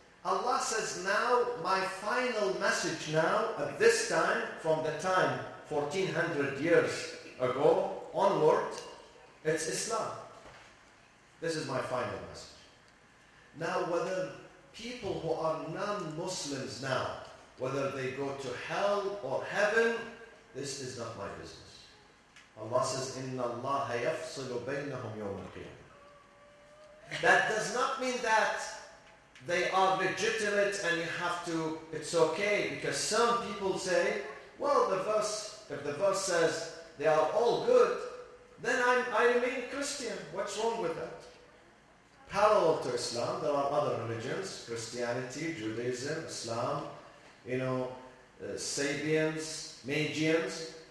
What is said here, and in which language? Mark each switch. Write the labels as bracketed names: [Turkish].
[English] Allah says, now my final message now, at this time, from the time 1400 years ago onward, it's Islam. This is my final message. Now whether people who are non-Muslims now, whether they go to hell or heaven, this is not my business. Allah says, [Arabic] إِنَّ اللَّهَ يَفْصِلُ بَيْنَهُمْ يَوْمَ الْقِيَامَةِ. [English] That does not mean that they are legitimate and you have to, it's okay, because some people say, well, the verse, if the verse says they are all good, then I remain Christian. What's wrong with that? Parallel to Islam, there are other religions, Christianity, Judaism, Islam, you know, Sabians, Magians.